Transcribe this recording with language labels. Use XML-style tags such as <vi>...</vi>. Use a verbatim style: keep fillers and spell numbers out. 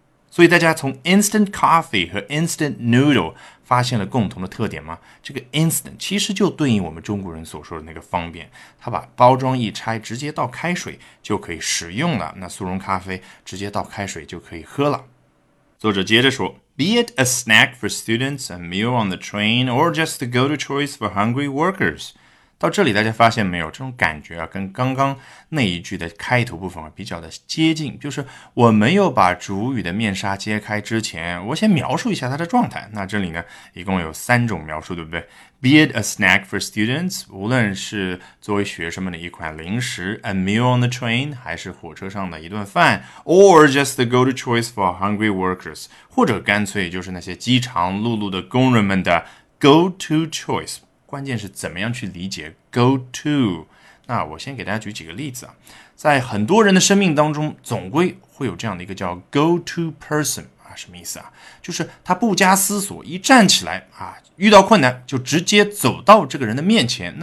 <zh>所以大家从 instant coffee 和 instant noodle 发现了共同的特点吗？这个 instant 其实就对应我们中国人所说的那个方便，它把包装一拆，直接倒开水就可以食用了。那速溶咖啡直接倒开水就可以喝了。作者接着说</zh> <en>Be it a snack for students, a meal on the train, or just the go-to choice for hungry workers.</en> <zh>到这里大家发现没有，这种感觉啊，跟刚刚那一句的开头部分啊比较的接近，就是我没有把主语的面纱揭开之前，我先描述一下它的状态。那这里呢，一共有三种描述，对不对？</zh> <en>Be it a snack for students，</en> <zh>无论是作为学生们的一款零食，</zh> <en>a meal on the train，</en> <zh>还是火车上的一顿饭，</zh> <en>or just the go-to choice for hungry workers，</en> <zh>或者干脆就是那些饥肠辘辘的工人们的 go-to choice。关键是怎么样去理解 go to。那我先给大家举几个例子啊，在很多人的生命当中总归会有这样的一个叫 go to person 啊，什么意思啊？就是他不加思索一站起来啊，遇到困难就直接走到这个人的面前。</zh>